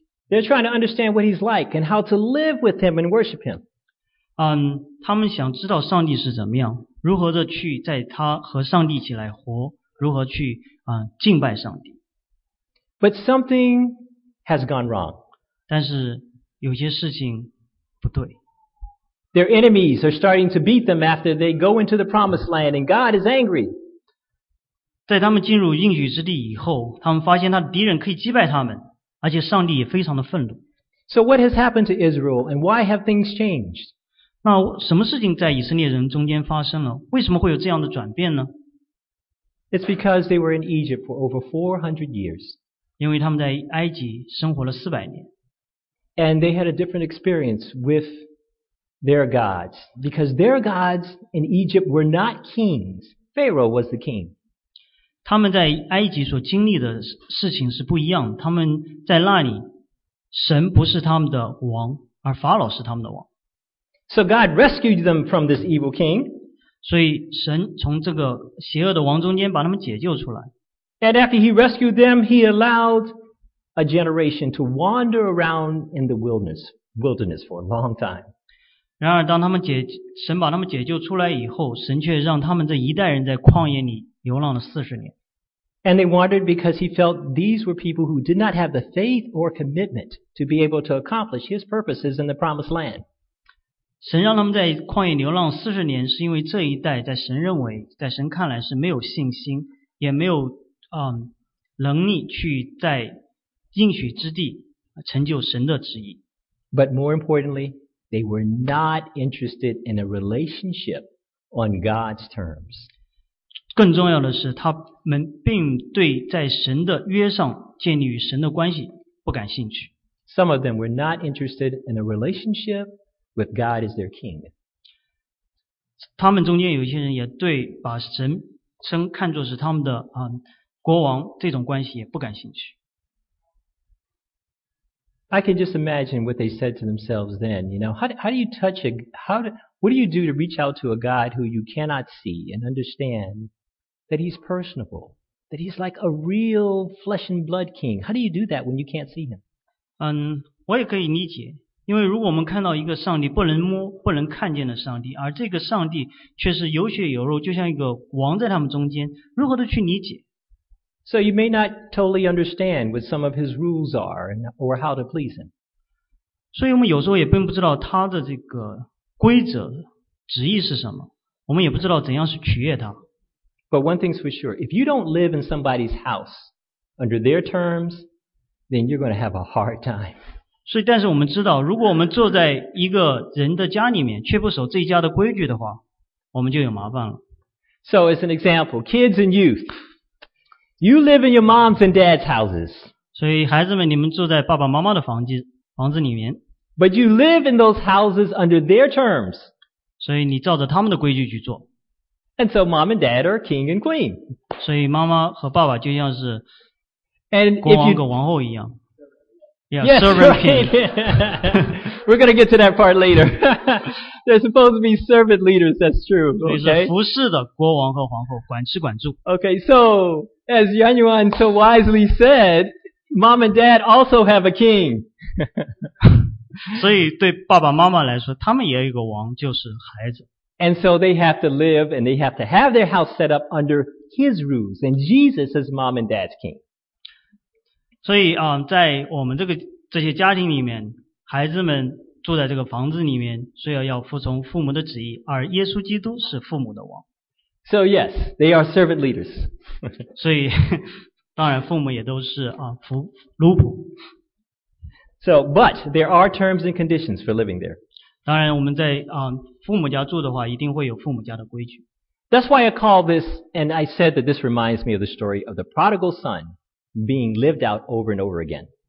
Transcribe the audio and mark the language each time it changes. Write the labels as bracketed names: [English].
[English] They're trying to understand what He's like and how to live with Him and worship Him. [Chinese] 他们想知道上帝是怎么样，如何的去在他和上帝一起来活，如何去敬拜上帝。 [English] But something has gone wrong. [Chinese] 但是有些事情不对。 [English] Their enemies are starting to beat them after they go into the promised land, and God is angry. [Chinese] 在他们进入应许之地以后，他们发现他的敌人可以击败他们，而且上帝也非常的愤怒。 [English] So what has happened to Israel, and why have things changed? [Chinese] 那什么事情在以色列人中间发生了？为什么会有这样的转变呢？ [English] It's because they were in Egypt for over 400 years. [Chinese] 因为他们在埃及生活了400年。 [English] And they had a different experience with their gods, because their gods in Egypt were not kings. Pharaoh was the king. [Chinese] 他们在埃及所经历的事情是不一样，他们在那里神不是他们的王，而法老是他们的王。 [English] So God rescued them from this evil king. [Chinese] 所以神从这个邪恶的王中间把他们解救出来。 [English] And after he rescued them, he allowed a generation to wander around in the wilderness for a long time. [Chinese] 然而当他们神把他们解救出来以后，神却让他们这一代人在旷野里流浪了40年。 [English] And they wandered because he felt these were people who did not have the faith or commitment to be able to accomplish his purposes in the promised land. [Chinese] 神让他们在旷野流浪40年，是因为这一代在神认为，在神看来是没有信心，也没有能力去在应许之地成就神的旨意。 [English] But more importantly,They were not interested in a relationship on God's terms. [Chinese] 更重要的是，他们并对在神的约上建立与神的关系不感兴趣。 [English] Some of them were not interested in a relationship with God as their king. [Chinese] 他们中间有些人也对把神称看作是他们的国王这种关系也不感兴趣。 [English] I can just imagine what they said to themselves then. You know, what do you do to reach out to a God who you cannot see and understand that he's personable, that he's like a real flesh and blood king? How do you do that when you can't see him? [Chinese] 我也可以理解，因为如果我们看到一个上帝不能摸、不能看见的上帝，而这个上帝却是有血有肉，就像一个王在他们中间，如何的去理解？ [English] So you may not totally understand what some of his rules are or how to please him. [Chinese] 所以我们有时候也并不知道他的这个规则旨意是什么，我们也不知道怎样是取悦他。 [English] But one thing's for sure, if you don't live in somebody's house under their terms, then you're going to have a hard time. [Chinese] 所以但是我们知道，如果我们坐在一个人的家里面却不守这一家的规矩的话，我们就有麻烦了。 [English] So as an example, kids and youth,You live in your mom's and dad's houses. [Chinese] 所以孩子们，你们住在爸爸妈妈的房子里面。 [English] But you live in those houses under their terms. [Chinese] 所以你照着他们的规矩去做。 [English] And so mom and dad are king and queen. [Chinese] 所以妈妈和爸爸就像是国王和王后一样。 [English] Yeah, yes, servant right. king. We're going to get to that part later. They're supposed to be servant leaders, that's true. Okay? [Chinese] 所以是服侍的国王和皇后，管吃管住。 [English] Okay, so... As Yan Yuan so wisely said, mom and dad also have a king. [Chinese] 所以对爸爸妈妈来说，他们也有一个王，就是孩子。 [English] And so they have to live and they have to have their house set up under his rules. And Jesus is mom and dad's king. [Chinese] 所以在我们这些家庭里面，孩子们住在这个房子里面，所以要服从父母的旨意，而耶稣基督是父母的王。 [English] So yes, they are servant leaders. [Chinese] 所以当然父母也都是奴仆。 [English] So, but there are terms and conditions for living there. [Chinese] 当然我们在父母家住的话一定会有父母家的规矩。 [English] That's why I call this, and I said that this reminds me of the story of the prodigal son being lived out over and over again.